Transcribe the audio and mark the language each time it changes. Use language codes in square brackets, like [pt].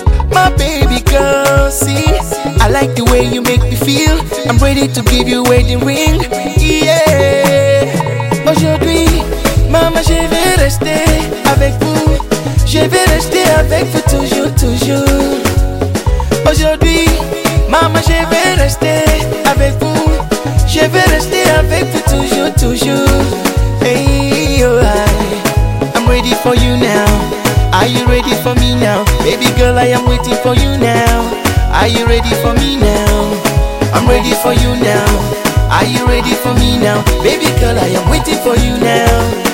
[en] My baby girl, see, I like the way you make me feel. I'm ready to give you a wedding ring, yeah. [fr] Aujourd'hui, maman, je vais rester avec vous. Je vais rester avec vous toujours, toujours. Aujourd'hui, maman, je vais rester avec vous. Je vais rester avec vous toujours, toujours. [en] Hey, yo, I'm ready for you now. Are you ready for me now? Baby girl, I am waiting for you now. Are you ready for me now? I'm ready for you now. Are you ready for me now? Baby girl, I am waiting for you now.